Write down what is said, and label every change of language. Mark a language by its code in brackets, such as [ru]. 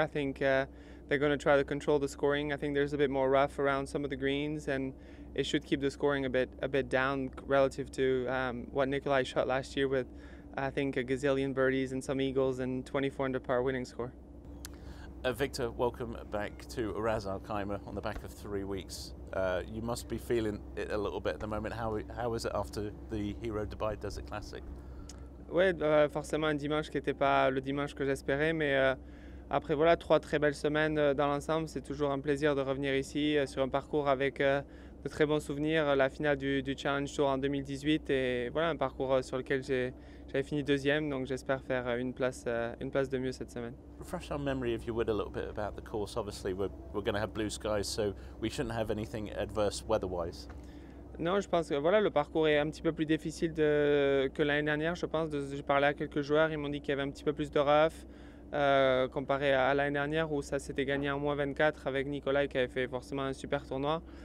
[en] I think they're going to try to control the scoring. I think there's a bit more rough around some of the greens, and it should keep the scoring a bit down relative to what Nicolai shot last year with, I think, a gazillion birdies and some eagles and 24 under par winning score. Victor, welcome back to Ras Al Khaimah on the back of 3 weeks. You must be feeling it a little bit at the moment. How is it after the Hero Dubai Desert Classic? [fr] Ouais, forcément un dimanche qui n'était pas le dimanche que j'espérais, mais après voilà, trois très belles semaines dans l'ensemble. C'est toujours un plaisir de revenir ici sur un parcours avec de très bons souvenirs, la finale du Challenge Tour en 2018, et voilà, un parcours sur lequel j'avais fini deuxième, donc j'espère faire une place de mieux cette semaine. [en] Refresh our memory, if you would, a little bit about the course. Obviously we're going to have blue skies, so we shouldn't have anything adverse weather-wise. [fr] Non, je pense que voilà, le parcours est un petit peu plus difficile que l'année dernière, je pense. J'ai parlé à quelques joueurs, ils m'ont dit qu'il y avait un petit peu plus de rough comparé à l'année dernière, où ça s'était gagné en moins 24 avec Nicolai, qui avait fait forcément un super tournoi.